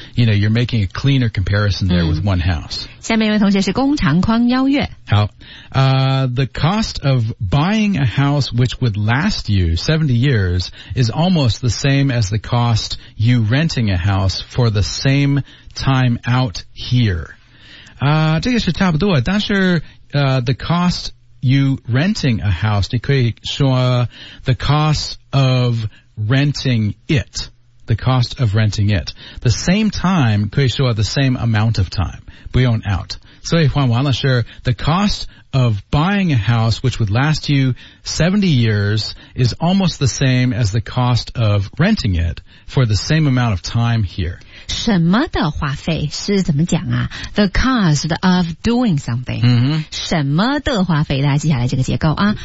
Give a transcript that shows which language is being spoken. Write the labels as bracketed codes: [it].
[en] You know, you're making a cleaner comparison there with one house. [zh] 下面一位同学是龚长宽邀月。 [en] 好, the cost of buying a house which would last you 70 years is almost the same as the cost you renting a house for the same time out here. 这个是差不多,但是 the cost you renting a house, 你可以说, the cost of renting it. The cost of renting it. The same time, 可以说, the same amount of time. 不用 out. 所以换完了是, the cost of buying a house which would last you 70 years is almost the same as the cost of renting it for the same amount of time here. [zh] 什么的花费是怎么讲啊? [en] The cost of doing something. Mm-hmm. [zh] 什么的花费,大家记下来这个结构啊?